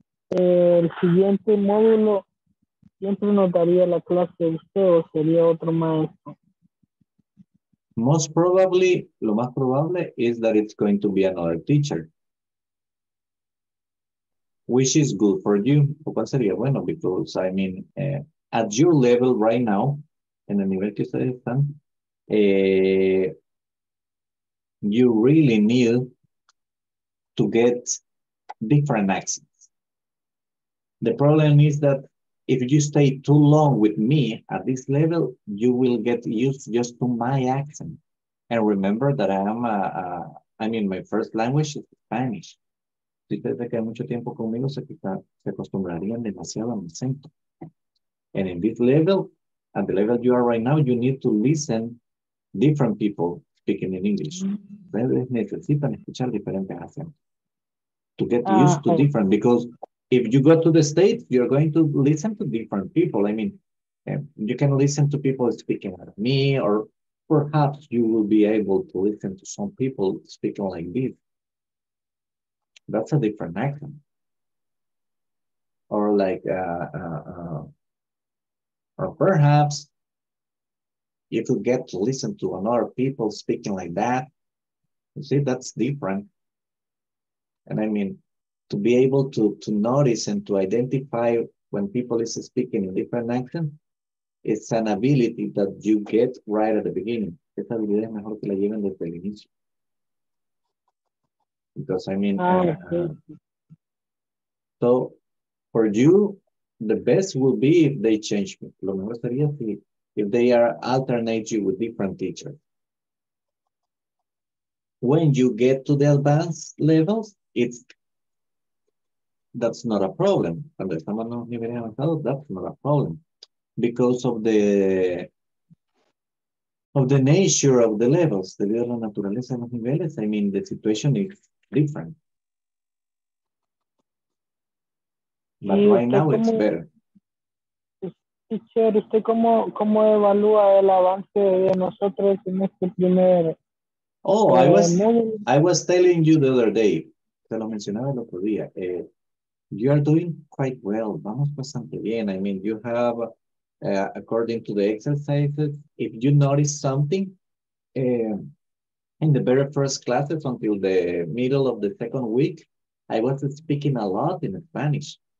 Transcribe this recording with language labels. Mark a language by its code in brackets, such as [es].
[es] El siguiente módulo siempre nos daría la clase de usted o sería otro maestro. [en] Most probably, [es] lo más probable [en] is that it's going to be another teacher. Which is good for you. [es] ¿Cuál sería bueno? [en] Because, I mean, at your level right now, [es] en el nivel que ustedes están, [en] you really need to get different accents. The problem is that if you stay too long with me at this level, you will get used just to my accent. And remember that I am, I mean, my first language is Spanish. [es] Si ustedes se quedan mucho tiempo conmigo, se acostumbrarían demasiado a mi acento. [en] And in this level, at the level you are right now, you need to listen different people speaking in English. [es] Ustedes necesitan escuchar diferentes acentos [en] to get used to different, because if you go to the States, you're going to listen to different people. I mean, you can listen to people speaking like me, or perhaps you will be able to listen to some people speaking like this. That's a different accent. Or like, or perhaps you could get to listen to another people speaking like that. You see, that's different. And I mean, to be able to notice and to identify when people is speaking in different accent, it's an ability that you get right at the beginning. [es] Esta habilidad es mejor que la lleven desde el inicio. [en] Because I mean, so for you, the best will be if they change me. [es] Lo mejor sería [en] if they are alternate you with different teachers. When you get to the advanced levels, that's not a problem. [es] Cuando estamos en los niveles avanzados, [en] that's not a problem. Because of the nature of the levels, [es] debido a la naturaleza de los niveles, [en] I mean, the situation is different. But right now, it's better. [es] Teacher, ¿usted cómo evalúa el avance de nosotros en este primer? [en] Oh, I was telling you the other day. [es] Te lo mencionaba el otro día. [en] You are doing quite well. [es] Vamos bastante bien. [en] I mean, you have, according to the exercises, if you notice something in the very first classes until the middle of the second week, I was speaking a lot in Spanish.